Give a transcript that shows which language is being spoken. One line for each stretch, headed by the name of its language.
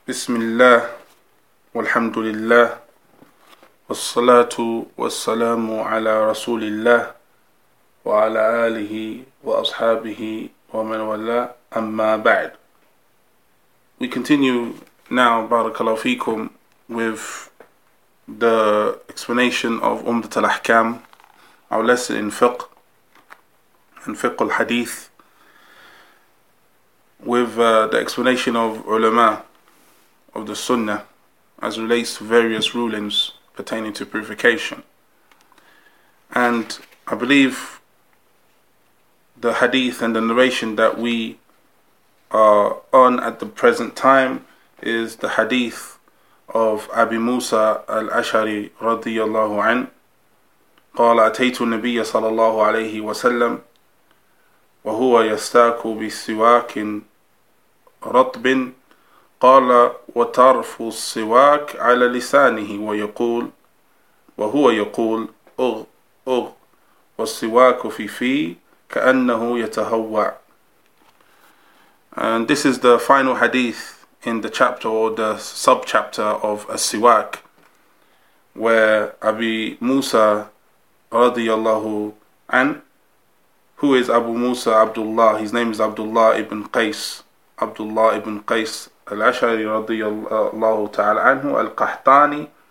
Arabic: بسم الله والحمد لله والصلاة والسلام على رسول الله وعلى آله وأصحابه ومن والاه أما بعد.
English: We continue now, barakallahu fikum, with the explanation of Umdat al-Ahkam, our lesson in fiqh and fiqh al-hadith, with the explanation of ulama of the sunnah as relates to various rulings pertaining to purification. And I believe the hadith and the narration that we are on at the present time is the hadith of Abi Musa al-Ash'ari radiyallahu an.
Arabic: قال أتيت النبي صلى الله عليه وسلم وهو يستاك بسواك رطب قال وترف السواك على لسانه ويقول وهو يقول أغ أغ والسواك في في كأنه يتهوع.
English: And this is the final hadith in the chapter or the sub-chapter of As-Siwak, where Abi Musa radiyallahu an, who is Abu Musa Abdullah, his name is Abdullah ibn Qais al-Ash'ari radiyallahu ta'ala anhu al-Qahtani,